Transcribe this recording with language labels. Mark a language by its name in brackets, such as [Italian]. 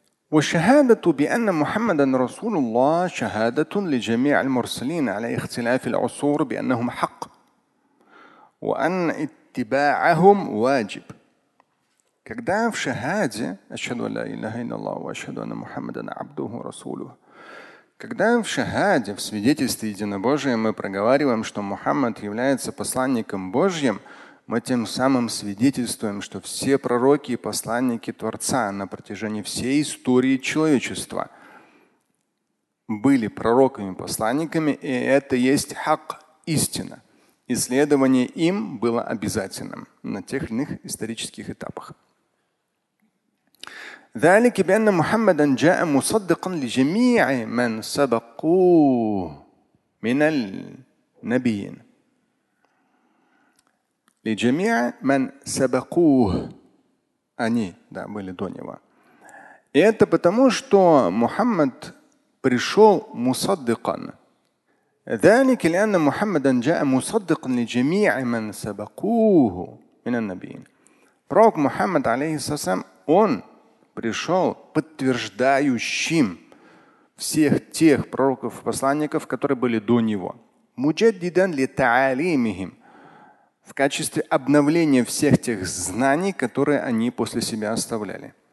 [Arabic] والشهادة بأن محمدًا رسول الله شهادة لجميع المرسلين على اختلاف العصور بأنهم حق وأن اتباعهم واجب. [Russian] Когда в шахаде [Arabic] أشهد أن لا إله إلا الله وأشهد أن محمدًا عبده ورسوله. [Russian] Когда в шахаде, в свидетельстве единобожия, мы проговариваем, что Мухаммад является посланником Божьим, мы тем самым свидетельствуем, что все пророки и посланники Творца на протяжении всей истории человечества были пророками и посланниками, и это есть хак, истина. И следование им было обязательным на тех или иных исторических этапах. [Arabic] ذلك بأن محمدا جاء مصدقا لجميع من سبقوه من النبيين. لجميع من سبقوه. [Russian] Они, да, были до него. И это потому, что Мухаммад пришел مصدقا. [Arabic] ذلك لأن محمدا جاء مصدقا لجميع من سبقوه من النبيين. [Russian] Пророк Мухаммад, алейхи салям, он пришел подтверждающим всех тех пророков и посланников, которые были до него. [Arabic] Муджаддидан ли таалимихим, [Russian] в качестве обновления всех тех знаний, которые они после себя оставляли.